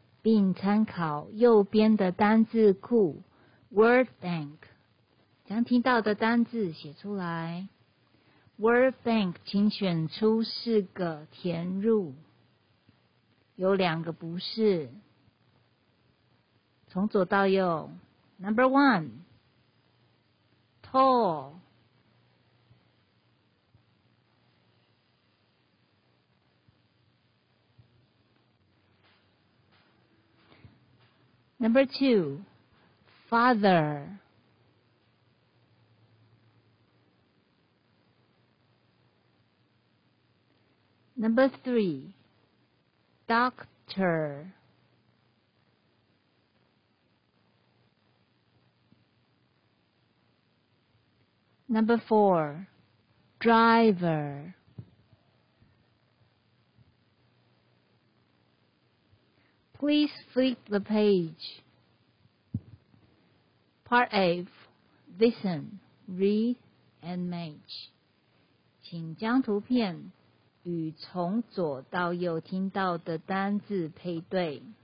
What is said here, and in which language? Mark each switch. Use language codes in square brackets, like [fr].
[zh] 并参考右边的单字库 Word Bank， 将听到的单字写出来。 Word Bank， 请选出四个填入，有两个不是。从左到右 [en] ，Number One， Tall， Number Two。 Father. Number 3. Doctor. Number 4. Driver. Please flip the page. Part A, listen, read, and match. [zh] 请将图片与从左到右听到的单字配对。